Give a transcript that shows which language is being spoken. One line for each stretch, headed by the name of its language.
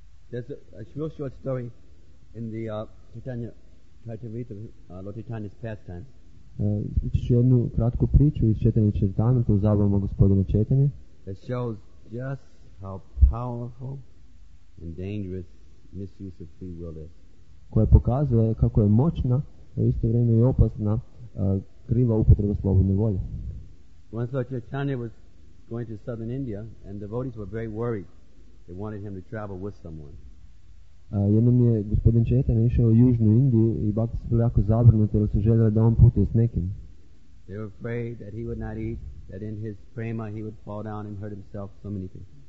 English: There's a real short story in the Chaitanya Charitamrita, Lord Chaitanya's pastime. That shows just how powerful and dangerous misuse of free will is.
Croatian: Koja pokazuje kako je moćna, a isto vrijeme i opasna kriva upotreba slobodne volje.
English: Once Lord Chaitanya was going to southern India and devotees were very worried. They wanted him to travel with someone.
Croatian: Jednom je gospodin Chaitanya išao u južnu Indiju i bhakti su bili jako zabrinuti jer su željeli da on putuje s nekim.
English: They were afraid that he would not eat, that in his prema he would fall down and hurt himself so many things.